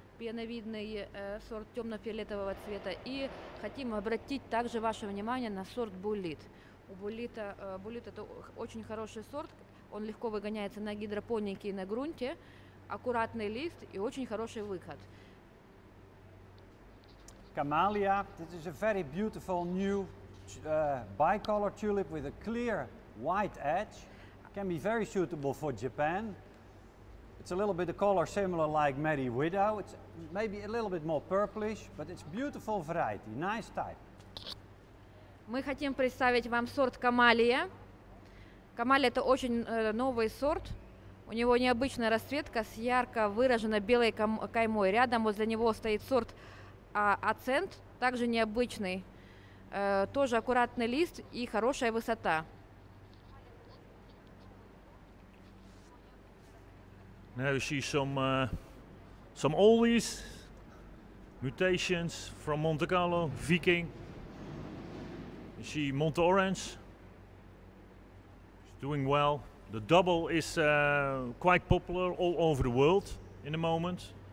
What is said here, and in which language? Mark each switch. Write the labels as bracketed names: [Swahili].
[Russian] Пеновидный сорт темно-фиолетового цвета. И хотим обратить также ваше внимание на сорт Bullet. У Bullet'а, Bullet это очень хороший сорт. Он легко выгоняется на гидропонике и на грунте. Аккуратный лист и очень хороший выход. [English] Camellia, this is a very beautiful new bicolor tulip with a clear white edge. Can be very suitable for Japan. It's a little bit of color similar like Merry Widow. It's maybe a little bit more purplish, but it's beautiful variety, nice type. [Russian] Мы хотим представить вам сорт Камалия. Камалия это очень новый сорт. У него необычная расцветка с ярко выраженной белой каймой. Рядом возле него стоит сорт Ацент, также необычный. Тоже аккуратный лист и хорошая высота. [English] Now you see some oldies, mutations from Monte Carlo, Viking. You see Monte Orange, it's doing well. The double is quite popular all over the world in the moment.